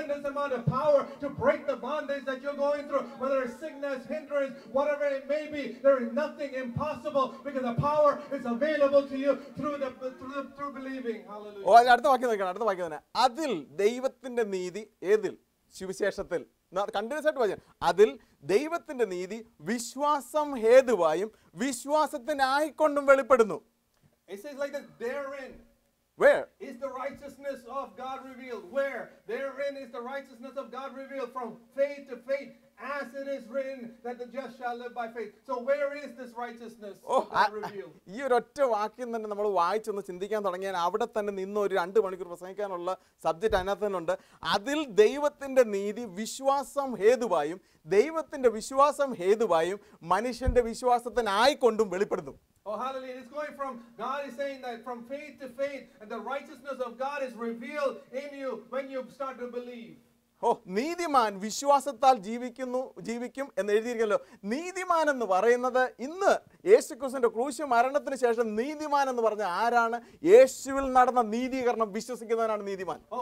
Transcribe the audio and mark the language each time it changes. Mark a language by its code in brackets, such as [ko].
[en] Amount of power to break the bondage that you're going through, whether it's sickness, hindrance, whatever it may be. There is nothing impossible because the power is available to you through believing. Hallelujah. [ml] ഓ, അടുത്ത വാക്യം നോക്കണം, അടുത്ത വാക്യം തന്നെ. അതിൽ ദൈവത്തിന്റെ നീതി ഏതിൽ? സുവിശേഷത്തിൽ. കണ്ടിന്യൂസ് ആയിട്ട് പറഞ്ഞു, അതിൽ ദൈവത്തിന്റെ നീതി വിശ്വാസം ഹേതുവായും വിശ്വാസത്തിനായിക്കൊണ്ടും വെളിപ്പെടുന്നു. [en] It says like that, therein. Where is the righteousness of God revealed? Where? Therein is the righteousness of God revealed, from faith to faith, as it is written that the just shall live by faith. So where is this righteousness revealed? [ml] ഈ ഒരൊറ്റ വാക്യം തന്നെ നമ്മൾ വായിച്ചൊന്ന് ചിന്തിക്കാൻ തുടങ്ങിയാൽ അവിടെ തന്നെ നിന്ന് ഒരു 2 മണിക്കൂർ പ്രസംഗിക്കാനുള്ള സബ്ജക്റ്റ് അതിനകത്ത് തന്നെയുണ്ട്. അതിൽ ദൈവത്തിന്റെ നീതി വിശ്വാസം ഹേതുവായും, ദൈവത്തിന്റെ വിശ്വാസം ഹേതുവായും മനുഷ്യന്റെ വിശ്വാസത്തിനായിക്കൊണ്ടും വെളിപ്പെടുന്നു. [en] Oh, hallelujah. It's going from, God is saying that from faith to faith, and the righteousness of God is revealed in you when you start to believe. [ml] ഓ, നീതിമാൻ വിശ്വാസത്താൽ ജീവിക്കും എന്ന് എഴുതിയിരിക്കല്ലോ. നീതിമാൻ എന്ന് പറയുന്നത് ഇന്ന് യേശുക്രിസ്തുവിന്റെ ക്രൂശ് മരണത്തിന് ശേഷം നീതിമാൻ എന്ന് പറഞ്ഞ ആരാണ്? യേശുവിൽ നടന്ന നീതീകരണം വിശ്വസിക്കുന്നവനാണ് നീതിമാൻ.